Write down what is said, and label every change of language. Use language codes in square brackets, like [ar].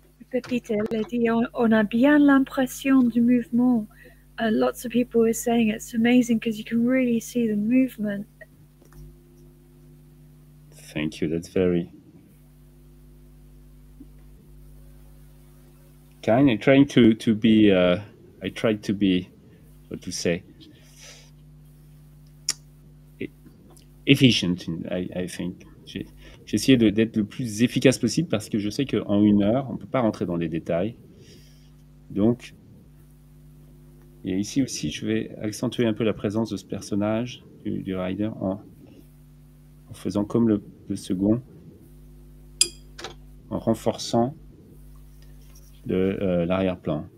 [fr] Pepita, elle dit, on a bien l'impression du mouvement. [en] Lots of people are saying it's amazing because you can really see the movement. Thank you, that's very kind. I'm trying to be, I tried to be, what to say, efficient, I think. [fr] J'ai essayé d'être le plus efficace possible parce que je sais qu'en une heure, on ne peut pas rentrer dans les détails. Donc, et ici aussi, je vais accentuer un peu la présence de ce personnage du rider en faisant comme le second, en renforçant l'arrière-plan.